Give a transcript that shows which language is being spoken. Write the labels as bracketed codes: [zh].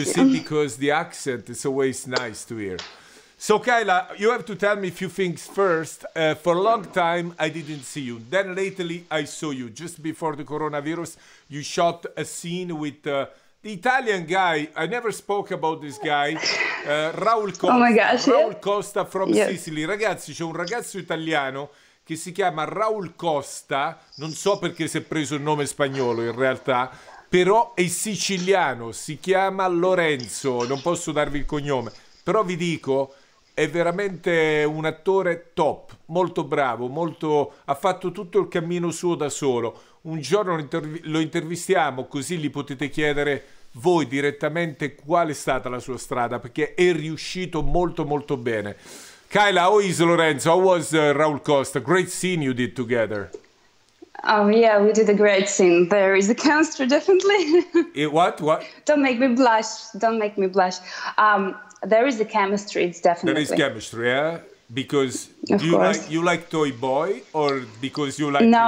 [en] You see, because the accent is always nice to hear. So, Kyla, you have to tell me a few things first. For a long time, I didn't see you. Then lately, I saw you. Just before the coronavirus, you shot a scene with... The Italian guy, I never spoke about this guy, Raul Costa. Oh my gosh, Raul Costa from Sicily. [it] Ragazzi, c'è un ragazzo italiano che si chiama Raul Costa, non so perché si è preso il nome spagnolo in realtà, però è siciliano, si chiama Lorenzo, non posso darvi il cognome, però vi dico, è veramente un attore top, molto bravo, molto, ha fatto tutto il cammino suo da solo. Un giorno lo intervistiamo, così gli potete chiedere voi direttamente qual è stata la sua strada, perché è riuscito molto molto bene. [en] Kyla, how is Lorenzo? How was Raul Costa? Great scene you did together. Oh yeah, we did a great scene. There is a chemistry, definitely. What? Don't make me blush. Don't make me blush. There is a chemistry, it's definitely. There is chemistry, yeah? Because do you like toy boy, or because you like